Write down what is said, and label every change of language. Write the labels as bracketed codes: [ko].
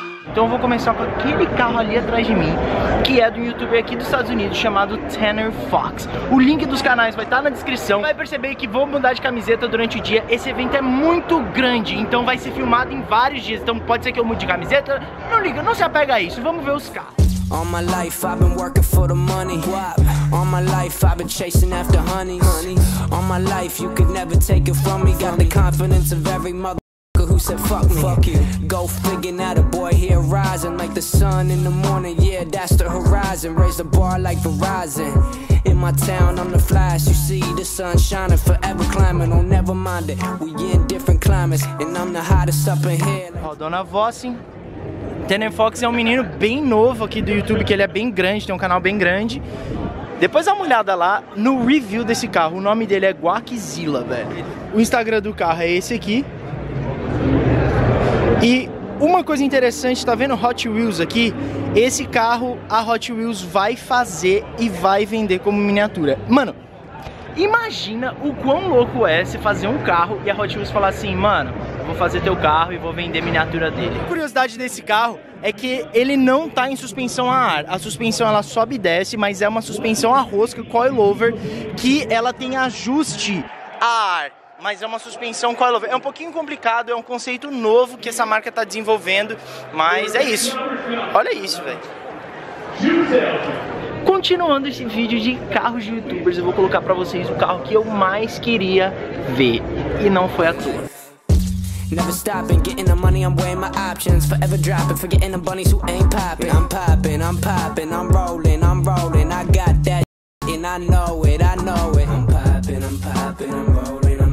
[pt] Então eu vou começar com aquele carro ali atrás de mim, que é do youtuber aqui dos Estados Unidos, chamado Tanner Fox. O link dos canais vai estar na descrição. Vai perceber que vou mudar de camiseta durante o dia. Esse evento é muito grande, então vai ser filmado em vários dias. Então pode ser que eu mude de camiseta. Não liga, não se apega a isso. Vamos ver os carros. [en] All my life I've been working for the money. All my life I've been chasing after honey. All my life you could never take it from me. Got the confidence of every mother. Who said fuck me? Fuck you. Go figure, now the boy here rising like the sun in the morning. Yeah, that's the horizon. Raise the bar like Verizon. In my town, I'm the flash. You see the sun shining, forever climbing. Oh, never mind it. We in different climates, and I'm the hottest up in here. [pt] Rodando a voz, hein? Tanner Fox é um menino bem novo aqui do YouTube, que ele é bem grande, tem um canal bem grande. Depois dá uma olhada lá no review desse carro. O nome dele é Guaczilla, velho. O Instagram do carro é esse aqui. E uma coisa interessante, tá vendo Hot Wheels aqui? Esse carro a Hot Wheels vai fazer e vai vender como miniatura. Mano, imagina o quão louco é você fazer um carro e a Hot Wheels falar assim: mano, vou fazer teu carro e vou vender miniatura dele. A curiosidade desse carro é que ele não tá em suspensão a ar. A suspensão ela sobe e desce, mas é uma suspensão a rosca, coilover, que ela tem ajuste a ar. Mas é uma suspensão coilover. É um pouquinho complicado, é um conceito novo que essa marca está desenvolvendo, mas é isso. Olha isso, velho. Continuando esse vídeo de carros de youtubers, eu vou colocar para vocês o carro que eu mais queria ver e não foi à toa. [en] Never stopping, getting the money, I'm weighing my options. Forever dropping, forgetting the bunnies who ain't popping. I'm popping, I'm popping, I'm rolling, I'm rolling. I got that and I know it, I know it. I'm popping, I'm popping, I'm rolling.